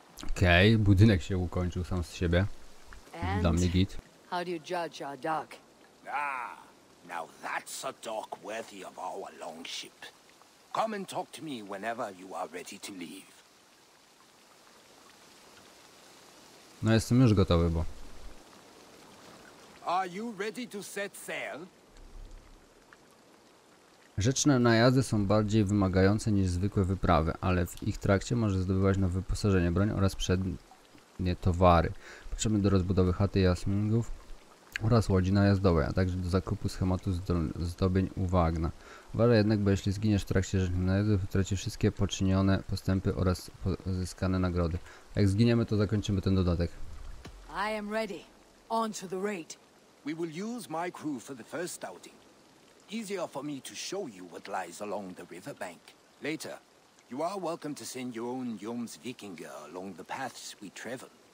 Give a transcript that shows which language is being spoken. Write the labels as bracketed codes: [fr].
[pl] Okej, budynek się ukończył sam z siebie. Dla mnie git. [en] How do you judge our dock? Ah, now that's a dock worthy of our long ship. Come and talk to me whenever you are ready to leave. [pl] No, jestem już gotowy, bo. [en] Are you ready to set sail? [pl] Rzeczne najazdy są bardziej wymagające niż zwykłe wyprawy, ale w ich trakcie możesz zdobywać nowe wyposażenie, broń oraz przednie towary. Potrzebne do rozbudowy chaty jasmingów oraz łodzi najazdowej, a także do zakupu schematu zdobień u Wagna. Uważaj jednak, bo jeśli zginiesz w trakcie rzecznych najazdów, tracisz wszystkie poczynione postępy oraz pozyskane nagrody. Jak zginiemy, to zakończymy ten dodatek. [en] I am ready. On to the raid. We will use my crew for the first outing. Easier for me to show you what lies along the riverbank. Later, you are welcome to send your own Jomsvikinger along the paths we travel.